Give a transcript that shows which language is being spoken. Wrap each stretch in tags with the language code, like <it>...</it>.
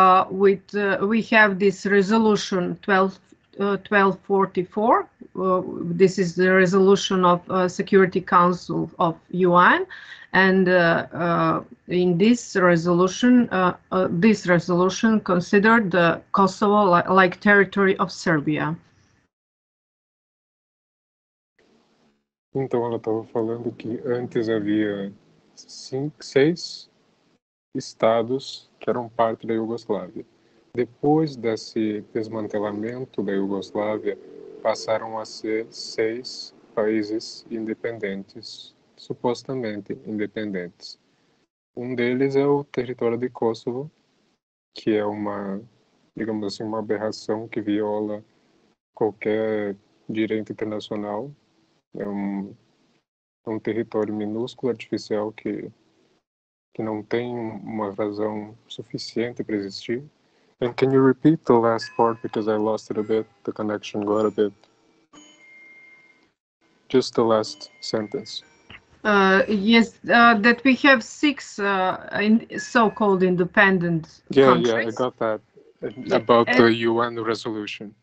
<en>we have this resolution 1244, this is the resolution of Security Council of UN, and in this resolution, considered the Kosovo like territory of Serbia.</en> <pt>Então ela estava falando que antes havia seis estados que eram parte da Iugoslávia. Depois desse desmantelamento da Iugoslávia, passaram a ser seis países independentes, supostamente independentes. Um deles é o território de Kosovo, que é uma, digamos assim, uma aberração que viola qualquer direito internacional. É um território minúsculo, artificial, que não tem uma razão suficiente para existir.</pt> <en>And can you repeat the last part, because I lost it a bit, the connection got a bit. Just the last sentence. That we have six so-called independent countries. Yeah, I got that. About the UN resolution.</en>